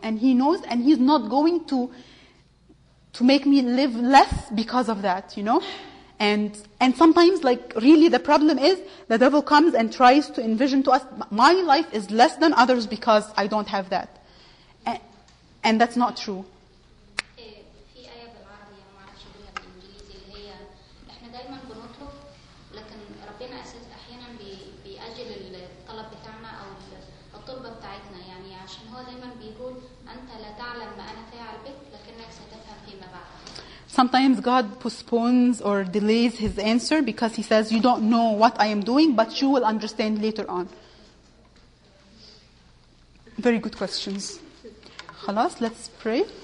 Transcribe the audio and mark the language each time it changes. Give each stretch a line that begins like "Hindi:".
English: And he knows, and he's not going to make me live less because of that, you know? And sometimes, like, really the problem is the devil comes and tries to envision to us, my life is less than others because I don't have that. And that's not true.
Arabic: في آية بالعربي ما أعرفش أقولها بالإنجليزي اللي هي إحنا دائما بنطلب لكن ربنا أساس أحيانا بيأجل الطلب بتاعنا أو الطلبة بتاعتنا يعني عشان هو دائما بيقول أنت لا تعلم ما أنا فاعل بك لكنك ستفهم فيما بعد.
English: Sometimes God postpones or delays His answer because He says you don't know what I am doing but you will understand later on. Very good questions.
Arabic: خلاص,
English: let's pray.